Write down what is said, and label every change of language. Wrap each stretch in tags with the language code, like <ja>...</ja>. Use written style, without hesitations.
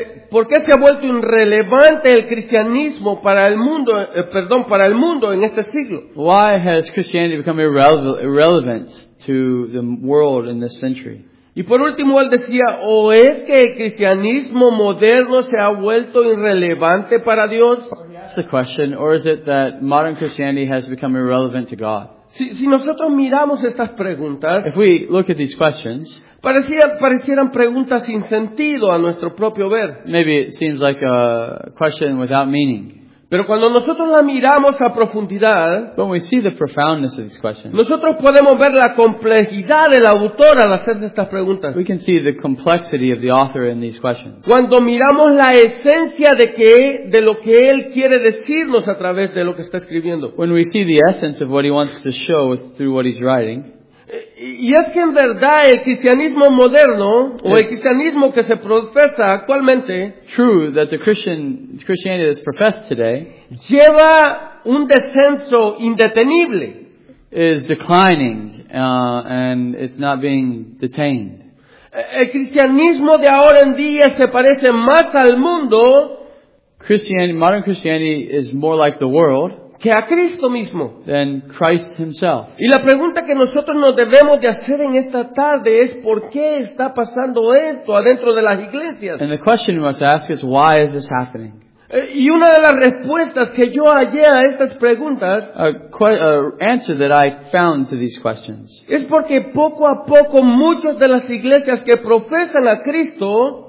<es>¿Por qué se ha vuelto irrelevante el cristianismo para el mundo, para el mundo en este siglo?</es> <en>Why has Christianity become irrelevant to the world in this century?</en> <es>Y por último él decía, ¿o es que el cristianismo moderno se ha vuelto irrelevante para Dios?</es> <en>That's the question, or is it that modern Christianity has become irrelevant to God?</en> <es>Si nosotros miramos estas preguntas,</es> <en>if we look at these questions,</en> <es>parecieran preguntas sin sentido a nuestro propio ver.</es> <en>Maybe it seems like a question without meaning.</en> <es>Pero cuando nosotros la miramos a profundidad,</es> <en>when we see the profoundness of these questions,</en> <es>nosotros podemos ver la complejidad del autor al hacer estas preguntas.</es> <en>We can see the complexity of the author in these questions.</en> <es>Cuando miramos la esencia de lo que él quiere decirnos a través de lo que está escribiendo,</es> <en>when we see the essence of what he wants to show through what he's writing.</en> <es>Y es que en verdad el cristianismo moderno o el cristianismo que se profesa actualmente,</es> <en>true that the Christianity is professed today,</en> <es>lleva un descenso indetenible.</es> <en>is declining and it's not being detained.</en> <es>El cristianismo de ahora en día se parece más al mundo.</es> <en>Christianity, modern Christianity, is more like the world</en> <es>que a Cristo mismo.</es> <en>Than Christ himself.</en> <es>Y la pregunta que nosotros nos debemos de hacer en esta tarde es ¿por qué está pasando esto adentro de las iglesias?</es> <en>And the question we must ask is why is this happening?</en> <es>Y una de las respuestas que yo hallé a estas preguntas</es> <en>answer that I found to these questions.</en> <es>Es porque poco a poco muchas de las iglesias que profesan a Cristo</es>